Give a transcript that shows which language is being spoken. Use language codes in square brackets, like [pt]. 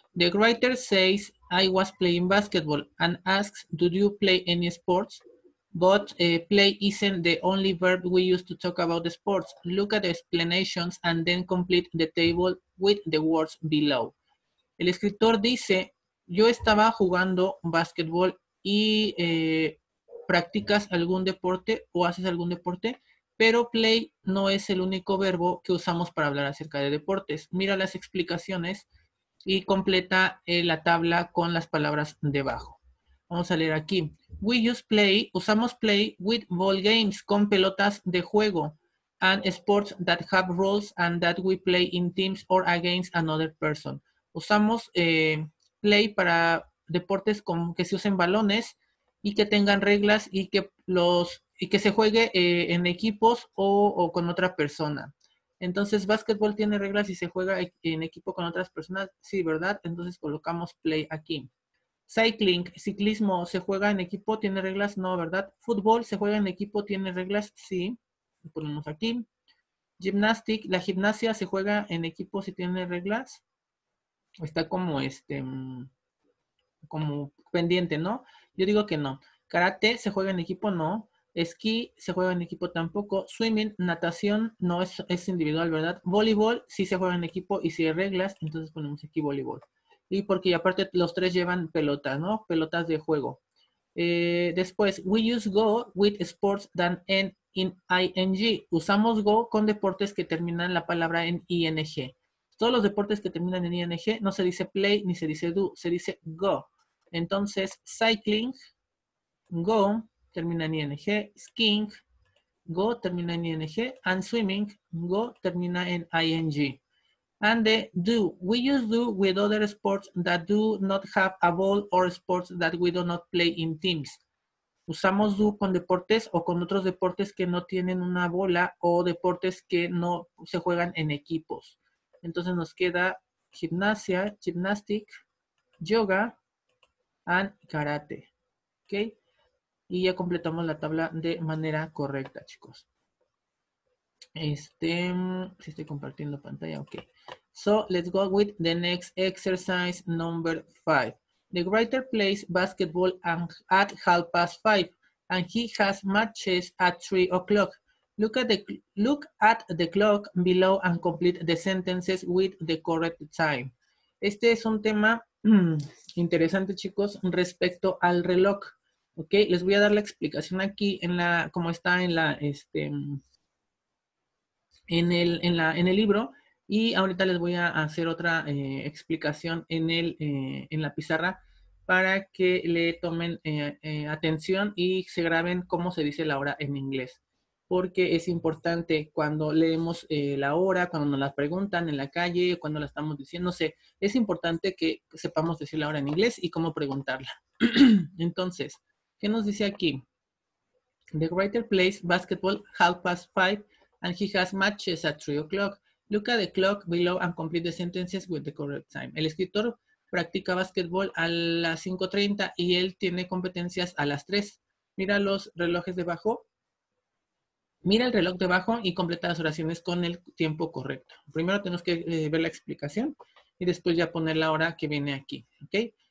[en] The writer says, I was playing basketball and asks, do you play any sports? But play isn't the only verb we use to talk about the sports. Look at the explanations and then complete the table with the words below. [es] El escritor dice, yo estaba jugando basquetbol y practicas algún deporte o haces algún deporte, pero play no es el único verbo que usamos para hablar acerca de deportes. Mira las explicaciones y completa la tabla con las palabras debajo. Vamos a leer aquí. [en] We use play, [es] usamos play [en] with ball games, [es] con pelotas de juego, [en] and sports that have rules and that we play in teams or against another person. [es] Usamos play para deportes con que se usen balones y que tengan reglas y que los y que se juegue en equipos o con otra persona. Entonces, básquetbol tiene reglas y se juega en equipo con otras personas. Sí, ¿verdad? Entonces, colocamos play aquí. Cycling, ciclismo, ¿se juega en equipo? ¿Tiene reglas? No, ¿verdad? Fútbol, ¿se juega en equipo? ¿Tiene reglas? Sí. Lo ponemos aquí. Gymnastic, ¿la gimnasia se juega en equipo si tiene reglas? Está como como pendiente, ¿no? Yo digo que no. Karate, ¿se juega en equipo? No. Esquí, ¿se juega en equipo? Tampoco. Swimming, natación, no es individual, ¿verdad? Voleibol, sí se juega en equipo y si hay reglas, entonces ponemos aquí voleibol. Y porque aparte los tres llevan pelotas, ¿no? Pelotas de juego. [en] Después, we use go with sports that end in ing. [es] Usamos go con deportes que terminan la palabra en ing. Todos los deportes que terminan en ing no se dice play ni se dice do, se dice go. Entonces, cycling, go, termina en ing. Skiing, go, termina en ing. And swimming, go, termina en ing. [en] And the do, we use do with other sports that do not have a ball or sports that we do not play in teams. [es] Usamos do con deportes o con otros deportes que no tienen una bola o deportes que no se juegan en equipos. Entonces nos queda gimnasia, gymnastic, yoga and karate. ¿Okay? Y ya completamos la tabla de manera correcta, chicos. Si estoy compartiendo pantalla, ok. [en] So, let's go with the next exercise number 5. The writer plays basketball at 5:30 and he has matches at 3 o'clock. Look at the clock below and complete the sentences with the correct time. [es] Este es un tema interesante, chicos, respecto al reloj. Ok, les voy a dar la explicación aquí en la, como está en la, en el libro, y ahorita les voy a hacer otra explicación en la pizarra para que le tomen atención y se graben cómo se dice la hora en inglés. Porque es importante cuando leemos la hora, cuando nos la preguntan en la calle, cuando la estamos diciendo, es importante que sepamos decir la hora en inglés y cómo preguntarla. Entonces, ¿qué nos dice aquí? [en] The writer plays basketball 5:30. And he has matches at 3 o'clock. Look at the clock below and complete the sentences with the correct time. [es] El escritor practica basketball a las 5:30 y él tiene competencias a las 3. Mira los relojes debajo. Mira el reloj debajo y completa las oraciones con el tiempo correcto. Primero tenemos que ver la explicación y después ya poner la hora que viene aquí. ¿Okay?